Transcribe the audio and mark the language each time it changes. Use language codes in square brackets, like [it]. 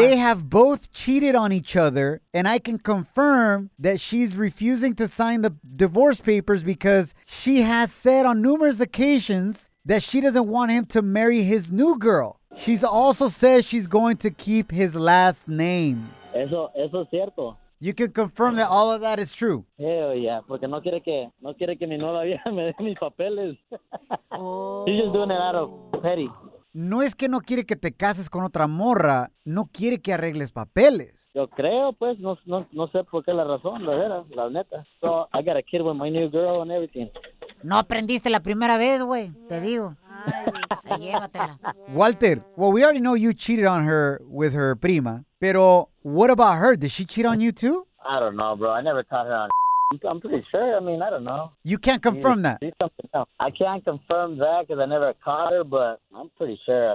[en] They have both cheated on each other, and I can confirm that she's refusing to sign the divorce papers because she has said on numerous occasions that she doesn't want him to marry his new girl. She's also said she's going to keep his last name. [es] Eso es cierto. [en] You can confirm that all of that is true. [es] Hell yeah, porque no quiere que mi nueva vieja me dé mis papeles. [en] She's just doing it out of petty. [es] No es que no quiere que te cases con otra morra, no quiere que arregles papeles. Yo creo, pues, no sé por qué la razón, la neta. [en] So, I got a kid with my new girl and everything. [es] No aprendiste la primera vez, güey, te digo. [en] Walter, well, we already know you cheated on her with her prima, pero what about her? Did she cheat on you too? I don't know, bro. I never caught her on. I'm pretty sure. I mean, I don't know. You can't confirm that. She's something else. I can't confirm that because I never caught her, but I'm pretty sure.